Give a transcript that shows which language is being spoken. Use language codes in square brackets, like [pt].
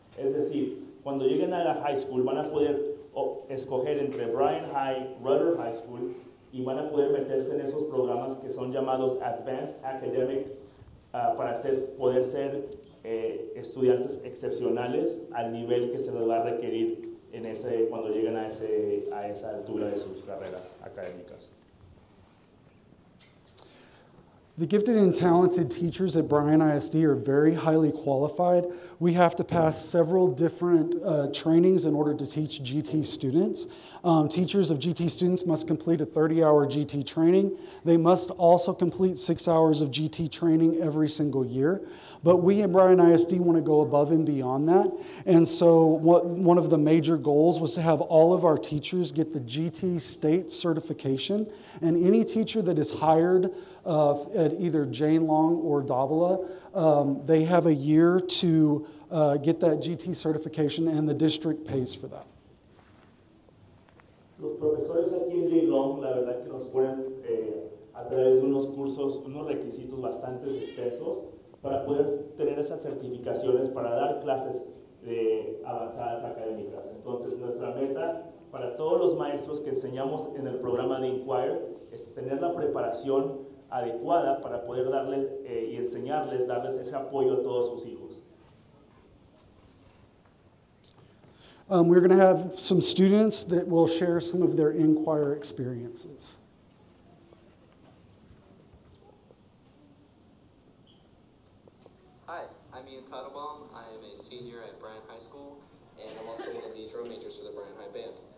[es] Es decir, cuando lleguen a la high school, van a poder escoger entre Bryan High, Rudder High School, y van a poder meterse en esos programas que son llamados Advanced Academic para poder ser estudiantes excepcionales al nivel que se les va a requerir en ese, cuando lleguen a esa altura de sus carreras académicas. [en] The gifted and talented teachers at Bryan ISD are very highly qualified. We have to pass several different trainings in order to teach GT students. Teachers of GT students must complete a 30-hour GT training. They must also complete 6 hours of GT training every single year. But we at Bryan ISD want to go above and beyond that. And so one of the major goals was to have all of our teachers get the GT state certification. And any teacher that is hired at either Jane Long or Davila, they have a year to get that GT certification, and the district pays for that. [es] Los profesores aquí en Jane Long, la verdad que nos ponen a través de unos cursos, unos requisitos bastante extensos para poder tener esas certificaciones para dar clases de avanzadas académicas. Entonces, nuestra meta para todos los maestros que enseñamos en el programa de Inquire es tener la preparación adecuada para poder darle y enseñarles, darles ese apoyo a todos sus hijos. [en] We're going to have some students that will share some of their Inquire experiences. Hi, I'm Ian Tuttlebaum. I am a senior at Bryan High School, and I'm also one of the drum majors for the Bryan High Band.